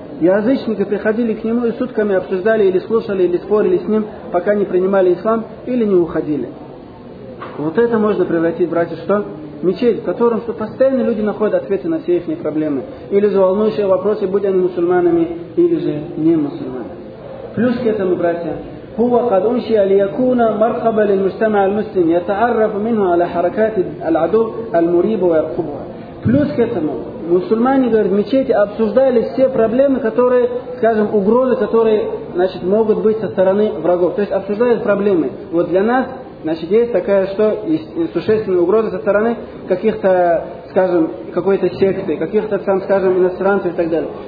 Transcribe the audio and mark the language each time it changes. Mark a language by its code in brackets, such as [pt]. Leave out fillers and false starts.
[ru] Язычники приходили к нему и сутками обсуждали, или слушали, или спорили с ним, пока не принимали ислам, или не уходили. Вот это можно превратить, братья, что? Мечеть, в котором что постоянно люди находят ответы на все их проблемы. Или за волнующие вопросы, будь они мусульманами, или же не мусульманами. Плюс к этому, братья, [ar] هو قد أنشئ ليكون مرقبا للمجتمع المسلم يتعرف منه على حركات العدو المريبة ويرقبها. [ru] Плюс к этому мусульмане, говорят, в мечети обсуждали все проблемы, которые, скажем, угрозы, которые, значит, могут быть со стороны врагов. То есть обсуждают проблемы. Вот для нас, значит, есть такая, что есть существенная угроза со стороны каких-то, скажем, какой-то секты, каких-то там, скажем, иностранцев и так далее.